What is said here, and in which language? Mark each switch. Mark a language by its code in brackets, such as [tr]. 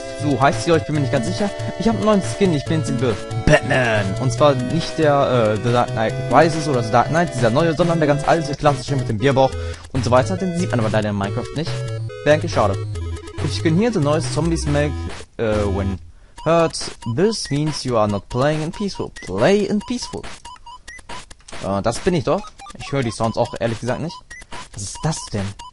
[de] So heißt sie, ich bin mir nicht ganz sicher. Ich habe einen neuen Skin, ich bin jetzt Batman. Und zwar nicht der The Dark Knight Rises oder The Dark Knight, dieser neue, sondern der ganz alte, klassische mit dem Bierbauch und so weiter. Den sieht man aber leider in Minecraft nicht. Wäre eigentlich schade. Ich bin hier, the neues Zombies [en] Make when hurt. This means you are not playing in peaceful. Play in peaceful. [de] Das bin ich doch. Ich höre die Sounds auch ehrlich gesagt nicht. Was ist das denn?